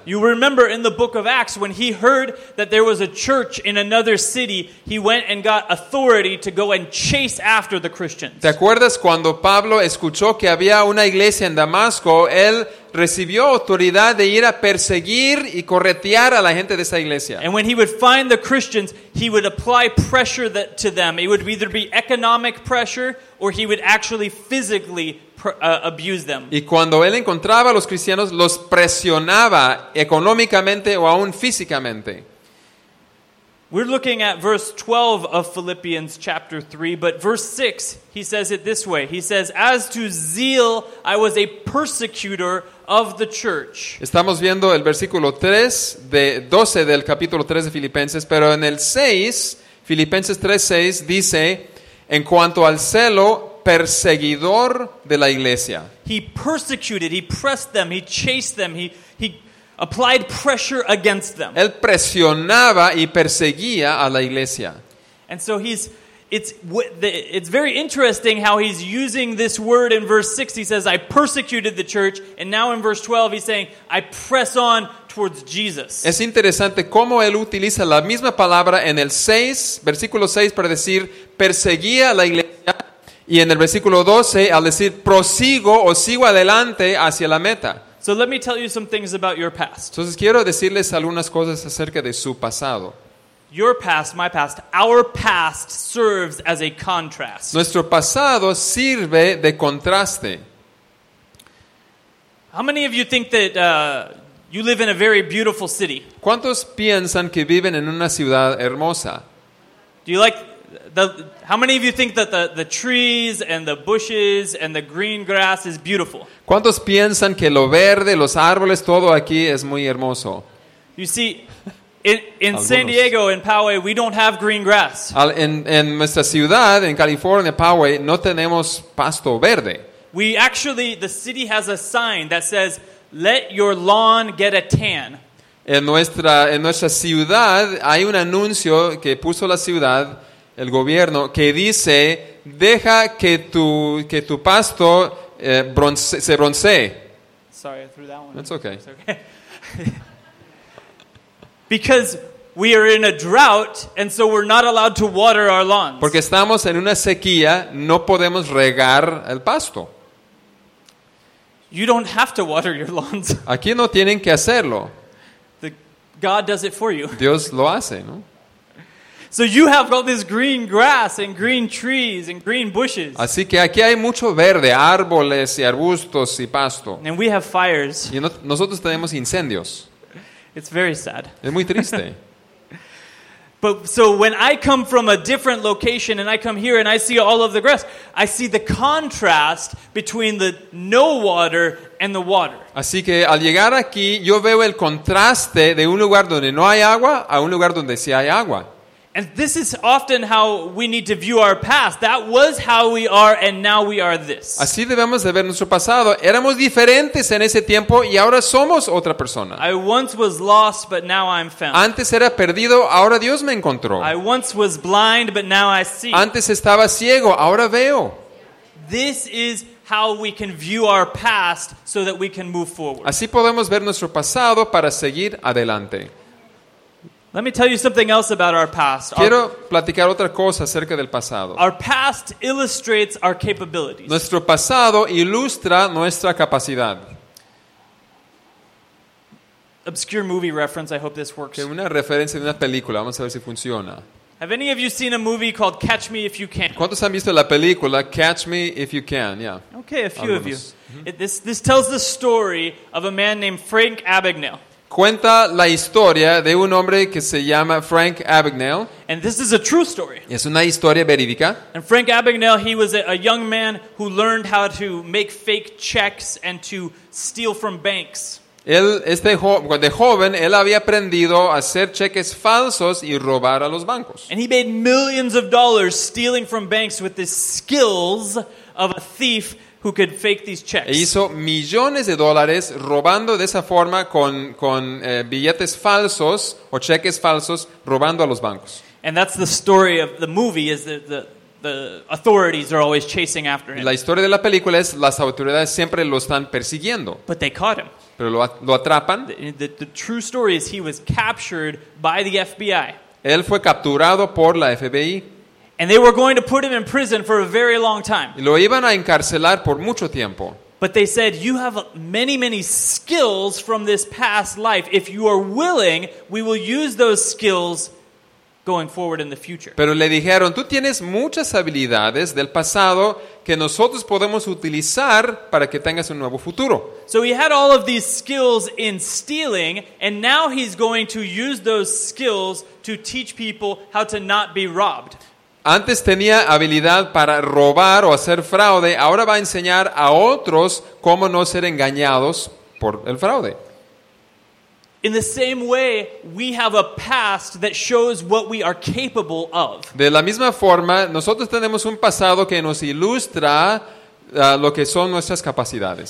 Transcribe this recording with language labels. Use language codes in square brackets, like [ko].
[en] You remember in the book of Acts when he heard that there was a church in another city, he went and got authority to go and chase after the Christians. [es] ¿Te acuerdas cuando Pablo escuchó que había una iglesia en Damasco? Él recibió autoridad de ir a perseguir y corretear a la gente de esa iglesia. [en] And when he would find the Christians, he would apply pressure to them. It would either be economic pressure or he would actually physically abuse them. [es] Y cuando él encontraba a los cristianos, los presionaba económicamente o aún físicamente. [en] We're looking at verse 12 of Philippians chapter 3, but verse 6, he says it this way. He says, as to zeal, I was a persecutor of the church. [es] Estamos viendo el versículo 3 de 12 del capítulo 3 de Filipenses, pero en el 6, Filipenses 3:6 dice, en cuanto al celo, perseguidor de la iglesia. [en] He persecuted, he pressed them, he chased them, he applied pressure against them. [es] Él presionaba y perseguía a la iglesia. [en] And so it's very interesting how he's using this word in verse 6. He says, I persecuted the church. And now in verse 12, he's saying, I press on towards Jesus. [es] Es interesante cómo él utiliza la misma palabra en el 6, versículo 6, para decir, perseguía a la iglesia. Y en el versículo 12, al decir, prosigo o sigo adelante hacia la meta. [en] So let me tell you some things about your past. [es] Entonces quiero decirles algunas cosas acerca de su pasado. [en] Your past, my past, our past serves as a contrast. [es] Nuestro pasado sirve de contraste. [en] How many of you think that you live in a very beautiful city? [es] ¿Cuántos piensan que viven en una ciudad hermosa? [en] Do you like how many of you think that the trees and the bushes and the green grass is beautiful? [es] ¿Cuántos piensan que lo verde, los árboles, todo aquí es muy hermoso? [en] You see, in San Diego, in Poway, we don't have green grass. [es] En nuestra ciudad, en California, Poway, no tenemos pasto verde. [en] We actually, the city has a sign that says, "Let your lawn get a tan." [es] En nuestra ciudad hay un anuncio que puso la ciudad, el gobierno, que dice, "Deja que tu pasto se broncee." [en] Sorry, I threw that one. That's okay. It's okay. Because we are in a drought, and so we're not allowed to water our lawns. [es] Porque estamos en una sequía, no podemos regar el pasto. [en] You don't have to water your lawns. [es] Aquí no tienen que hacerlo. [en] God does it for you. [es] Dios lo hace, ¿no? [en] So you have all this green grass and green trees and green bushes. [es] Así que aquí hay mucho verde, árboles y arbustos y pasto. [en] And we have fires. [es] Y no, nosotros tenemos incendios. [en] It's very sad. [es] Es muy triste. [en] But so when I come from a different location and I come here and I see all of the grass, I see the contrast between the no water and the water. [es] Así que al llegar aquí, yo veo el contraste de un lugar donde no hay agua a un lugar donde sí hay agua. [en] And this is often how we need to view our past. That was how we are and now we are this. [es] Así debemos de ver nuestro pasado. Éramos diferentes en ese tiempo y ahora somos otra persona. [en] I once was lost but now I'm found. [es] Antes era perdido, ahora Dios me encontró. [en] I once was blind but now I see. [es] Antes estaba ciego, ahora veo. [en] This is how we can view our past so that we can move forward. [es] Así podemos ver nuestro pasado para seguir adelante. [en] Let me tell you something else about our past. [es] Quiero platicar otra cosa acerca del pasado. [en] Our past illustrates our capabilities. [es] Nuestro pasado ilustra nuestra capacidad. [en] Obscure movie reference. I hope this works. [es] Una referencia de una película. Vamos a ver si funciona. [en] Have any of you seen a movie called Catch Me If You Can? [es] ¿Cuántos han visto la película Catch Me If You Can? Yeah. [en] Okay, a few [es] Algunos. [en] Of you. Mm-hmm. This tells the story of a man named Frank Abagnale. [es] Cuenta la historia de un hombre que se llama Frank Abagnale. [en] And this is a true story. [es] Es una historia verídica. [en] And Frank Abagnale, he was a young man who learned how to make fake checks and to steal from banks. [es] Él había aprendido a hacer cheques falsos y robar a los bancos. [en] And he made millions of dollars stealing from banks with the skills of a thief who could fake these checks. [es] E hizo millones de dólares robando de esa forma con billetes falsos o cheques falsos robando a los bancos. [en] And that's the story of the movie is that the authorities are always chasing after him. [es] La historia de la película es las autoridades siempre lo están persiguiendo. [en] But they caught him. [es] Pero lo atrapan. [en] The true story is he was captured by the FBI. [es] Él fue capturado por la FBI. [en] And they were going to put him in prison for a very long time. [es] Y lo iban a encarcelar por mucho tiempo. [en] But they said, "You have many, many skills from this past life. If you are willing, we will use those skills going forward in the future." [es] Pero le dijeron, "Tú tienes muchas habilidades del pasado que nosotros podemos utilizar para que tengas un nuevo futuro." [en] So he had all of these skills in stealing, and now he's going to use those skills to teach people how to not be robbed. [es] Antes tenía habilidad para robar o hacer fraude. Ahora va a enseñar a otros cómo no ser engañados por el fraude. [en] In the same way, we have a past that shows what we are capable of. [es] De la misma forma, nosotros tenemos un pasado que nos ilustra lo que son nuestras capacidades.